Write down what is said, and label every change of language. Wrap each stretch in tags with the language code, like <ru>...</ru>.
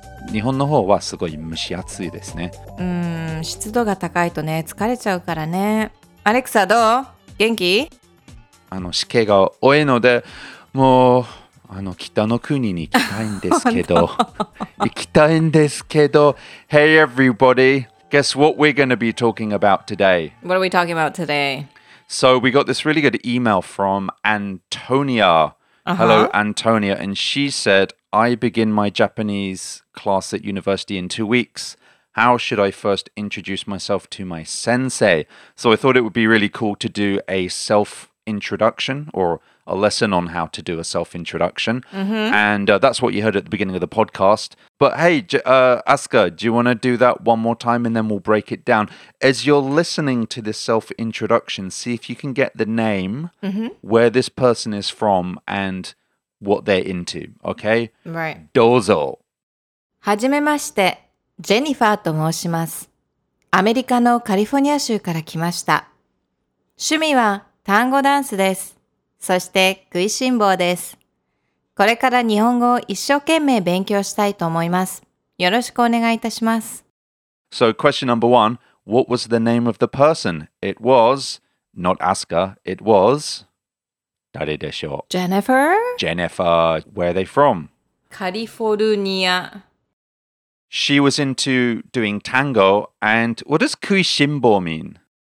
<ja>日本の方はすごい蒸し暑いですね。湿度が高いとね、疲れちゃうからね。アレクサどう？元気？湿気が多いので、もう北の国に行きたいんですけど、行きたいんですけど。</ja> <en>Hey everybody, guess what we're going to be talking about today? What are we talking about today? So we got this really good email from Antonia. Hello Antonia, and she said,I begin my Japanese class at university in 2 weeks. How should I first introduce myself to my sensei? So I thought it would be really cool to do a self-introduction or a lesson on how to do a self-introduction. Mm-hmm. And that's what you heard at the beginning of the podcast. But hey, Asuka, do you want to do that one more time and then we'll break it down? As you're listening to this self-introduction, see if you can get the name, where this person is from, and... What they're into, okay? Right.</en> <ja>どうぞ。はじめまして、ジェニファーと申します。アメリカのカリフォルニア州から来ました。趣味は単語ダンスです。そして食いしん坊です。これから日本語を一生懸命勉強したいと思います。よろしくお願いいたします。</ja> <en>So question number one, what was the name of the person? It was, not Asuka, it was...</en> <ja>誰でしょう?</ja> <en>Jennifer? Jennifer. Where are they from? California. She was into doing tango. And what does kuishinbo mean?</en>